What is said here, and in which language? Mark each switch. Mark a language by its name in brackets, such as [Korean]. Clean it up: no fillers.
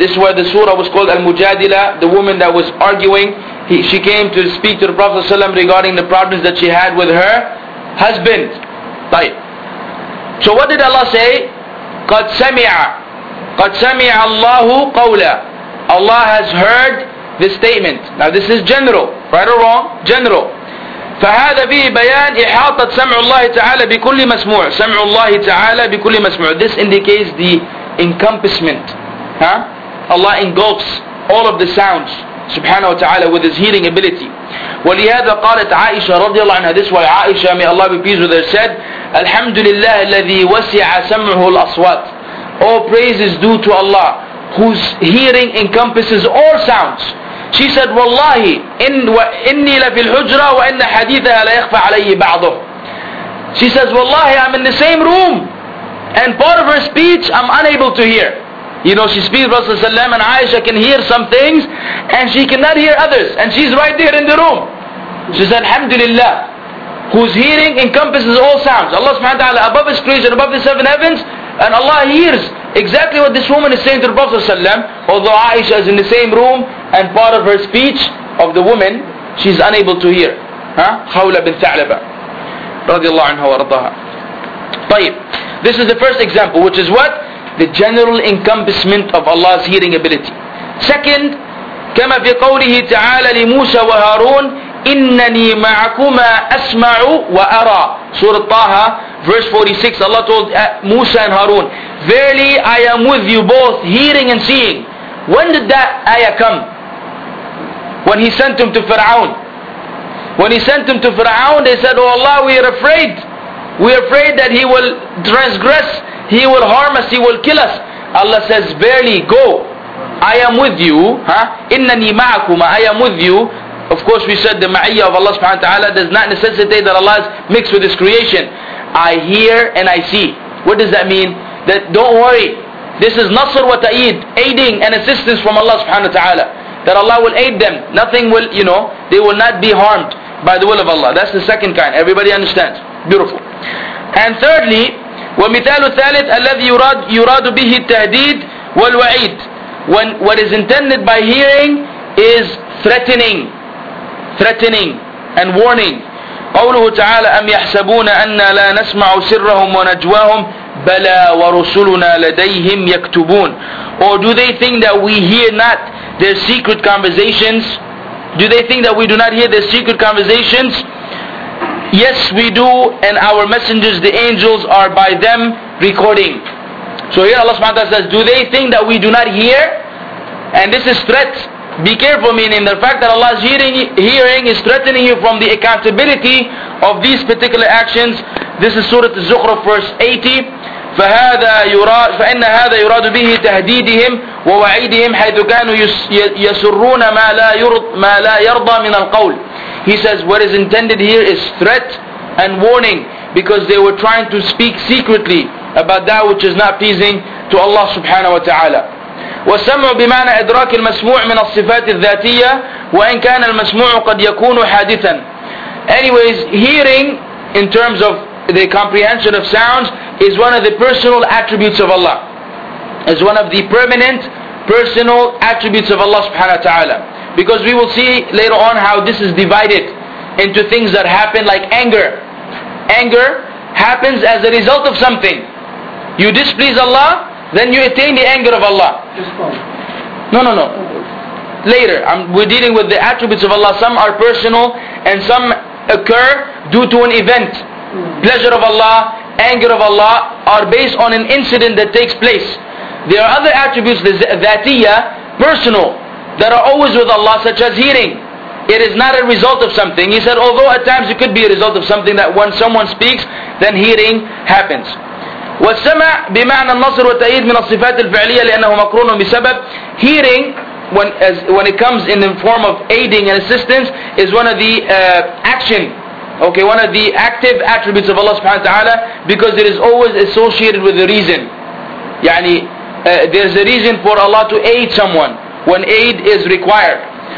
[English] This is where the surah was called Al-Mujadila. The woman that was arguing, she came to speak to the Prophet ﷺ regarding the problems that she had with her husband. [Arabic] So what did Allah say? قَدْ سَمِعَ قَدْ سَمِعَ اللَّهُ قَوْلَ. [English] Allah has heard the statement. Now this is general, right or wrong? General. [Arabic] فهذا فيه بيان إحاطة سمع الله تعالى بكل مسموع. سمع الله تعالى بكل مسموع. [English] This indicates the encompassment. Huh? Allah engulfs all of the sounds, [Arabic] سبحانه وتعالى, [English] with His hearing ability. [Arabic] ولهذا قالت عائشة رضي الله عنها, [English] this is why عائشة, may Allah be pleased with her, said, [Arabic] الحمد لله الذي وسع سمعه الأصوات. [English] All praise is due to Allah, whose hearing encompasses all sounds. She said, [Arabic] وَاللَّهِ إِنِّي لَفِي الْحُجْرَ وَإِنَّ حَدِيثَهَا لَيَخْفَ عَلَيْهِ بَعْضُهُ. [English] She says, [Arabic] وَاللَّهِ [English] I'm in the same room, and part of her speech I'm unable to hear. You know, she speaks, Rasulullah Sallam, and Aisha can hear some things, and she cannot hear others, and she's right there in the room. She said, Alhamdulillah, whose hearing encompasses all sounds. Allah subhanahu wa ta'ala above His creation, above the seven heavens, and Allah hears exactly what this woman is saying to the Prophet ﷺ, although Aisha is in the same room, and part of her speech of the woman, she's unable to hear. Huh? Khawla bin Tha'laba, radiallahu anha wa radaha. [Arabic] طيب, [English] this is the first example, which is what? The general encompassment of Allah's hearing ability. [Arabic] Second, كما في قوله تعالى لموسى وهارون إنني معكما أسمع وأرى. [English] Surah Taha, verse 46, Allah told Musa and Harun, verily I am with you both, hearing and seeing. When did that ayah come? When He sent them to Fir'aun. When He sent them to Fir'aun, they said, oh Allah, we are afraid. We are afraid that He will transgress, He will harm us, He will kill us. Allah says, verily, go. I am with you. Huh? [Arabic] إِنَّنِي مَعَكُمَا. [English] I am with you. Of course, we said the ma'iyyah of Allah subhanahu wa ta'ala does not necessitate that Allah is mixed with His creation. I hear and I see. What does that mean? That don't worry, this is nasr wa ta'eed, aiding and assistance from Allah subhanahu wa ta'ala. That Allah will aid them. Nothing will, you know, they will not be harmed by the will of Allah. That's the second kind. Everybody understands. Beautiful. And thirdly, [Arabic] وَمِثَالُ الثَّالِثِ أَلَّذِي يُرَادُ بِهِ التَّهْدِيدِ وَالْوَعِيدِ. [English] When what is intended by hearing is threatening and warning. [Arabic] قَوْلُهُ تَعَالَى أَمْ يَحْسَبُونَ أَنَّا لَا نَسْمَعُ سِرَّهُمْ وَنَجْوَاهُمْ بَلَى وَرُسُلُنَا لَدَيْهِمْ يَكْتُبُونَ. [English] Or do they think that we hear not their secret conversations? Do they think that we do not hear their secret conversations? Yes, we do, and our messengers, the angels, are by them recording. So here Allah subhanahu wa ta'ala says, do they think that we do not hear? And this is threat. Be careful, meaning the fact that Allah is hearing is threatening you from the accountability of these particular actions. This is Surah Az-Zukhruf, verse 80. [Arabic] فَإِنَّ هَذَا يُرَادُ بِهِ تَهْدِيدِهِمْ وَوَعِيدِهِمْ حَيْثُ كَانُوا يَسُرُّونَ مَا لَا يَرْضَى مِنَ الْقَوْلِ. [English] He says, what is intended here is threat and warning, because they were trying to speak secretly about that which is not pleasing to Allah subhanahu wa ta'ala. [Arabic] والسمع بمعنى إدراك المسموع من الصفات الذاتية وإن كان المسموع قد يكون حادثا. [English] Anyways, hearing in terms of the comprehension of sounds is one of the personal attributes of Allah. Is one of the permanent personal attributes of Allah subhanahu wa ta'ala. Because we will see later on how this is divided into things that happen, like anger. Anger happens as a result of something. You displease Allah, then you attain the anger of Allah. No. Later, we're dealing with the attributes of Allah. Some are personal and some occur due to an event. Pleasure of Allah, anger of Allah are based on an incident that takes place. There are other attributes, the dhatiya, personal, that are always with Allah, such as hearing. It is not a result of something. He said, although at times it could be a result of something, that when someone speaks, then hearing happens. [Arabic] والسمع بمعنى النصر والتأييد من الصفات الفعلية لأنه مقرون بسبب. [English] Hearing, when it comes in the form of aiding and assistance, is one of the action, okay, one of the active attributes of Allah subhanahu wa ta'ala, because it is always associated with the reason. [Arabic] يعني [English] there's a reason for Allah to aid someone when aid is required.